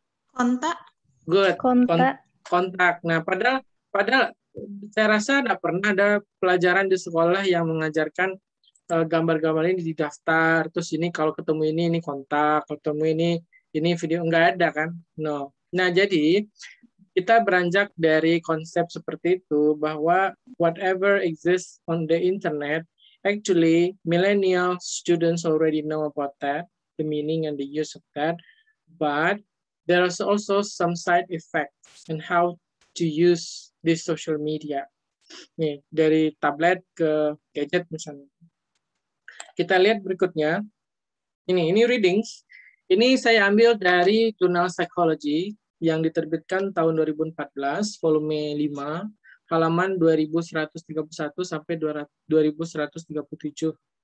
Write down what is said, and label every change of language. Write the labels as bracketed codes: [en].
[id] Kontak. [en] Good. [id] Kontak. Nah, padahal saya rasa tidak pernah ada pelajaran di sekolah yang mengajarkan gambar-gambar ini di daftar, terus ini kalau ketemu ini kontak, kalau ketemu ini video, enggak ada kan? [en] No. [id] Nah, jadi kita beranjak dari konsep seperti itu bahwa [en] whatever exists on the internet, actually millennial students already know about that, the meaning and the use of that, but there is also some side effects and how to use di social media. [id] Nih, dari tablet ke gadget misalnya. Kita lihat berikutnya. Ini readings. Ini saya ambil dari jurnal Psychology yang diterbitkan tahun 2014, volume 5, halaman 2131 sampai 2137.